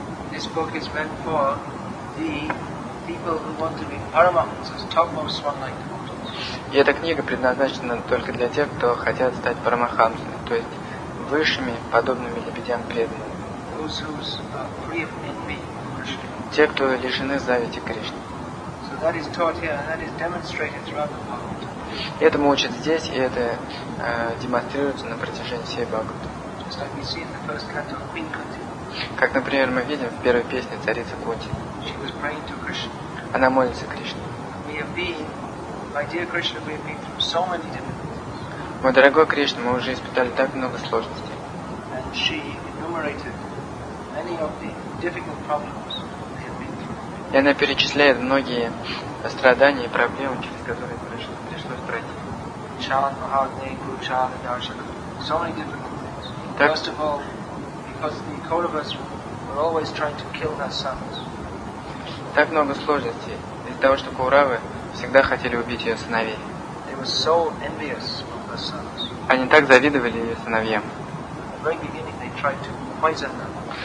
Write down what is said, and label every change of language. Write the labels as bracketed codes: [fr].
[en] This book is meant for the people who want to be paramahansas, topmost one-like devotees. [ru] И эта книга предназначена только для тех, кто хотят стать парамахамсами, то есть высшими подобными лебедям преданными. [en] Those who are free of envy, Krishna. [ru] Те, кто лишены зависти Кришне. [en] So that is taught here, and that is demonstrated throughout the Bhagavad. [ru] Этому учат здесь, и это демонстрируется на протяжении всей Бхагавады. [en] Just like we see in the first canto of Queen Kunti. [ru] Как, например, мы видим в первой песне царицы Кунти. [en] She was praying to Krishna. [ru] Она молится Кришне. [en] We have been, my dear Krishna, we have been through so many difficulties. [ru] Мой дорогой Кришна, мы уже испытали так много сложностей. [en] And she enumerated many of the difficult problems we have been through. [ru] И она перечисляет многие страдания и проблемы, через которые пришлось пройти. [sa] Чалана Махадне, Гуру Чалана Даршана. [en] So many difficulties. [ru] Так, [en] first of all, because the Kauravas were always trying to kill their sons. [ru] Так много сложностей из-за того, что Кауравы всегда хотели убить ее сыновей. [en] They were so envious of their sons. [ru] Они так завидовали ее сыновьям. [en] At the very beginning, they tried to poison them.